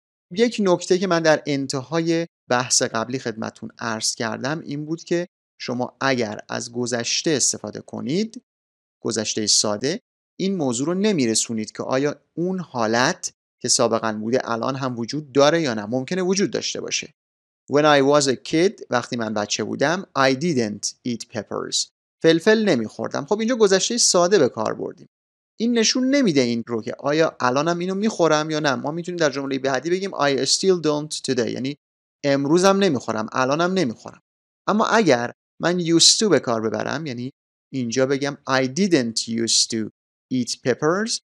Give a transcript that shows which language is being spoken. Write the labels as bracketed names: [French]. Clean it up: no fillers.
[Persian] یک نکته که من در انتهای بحث قبلی خدمتون عرض کردم این بود که شما اگر از گذشته استفاده کنید، گذشته ساده، این موضوع رو نمیرسونید که آیا اون حالت که سابقا بوده الان هم وجود داره یا نه. ممکنه وجود داشته باشه. [English] When I was a kid، [Persian] وقتی من بچه بودم، [English] I didn't eat peppers، [Persian] فلفل نمیخوردم. خب اینجا گذشته ساده به کار بردیم. این نشون نمیده این رو که آیا الانم اینو میخورم یا نه. ما میتونیم در جمله بعدی بگیم [English] I still don't today، [Persian] یعنی امروزم نمیخورم، الانم نمیخورم. اما اگر من used to به کار ببرم، یعنی اینجا بگم [English] I didn't used to eat peppers،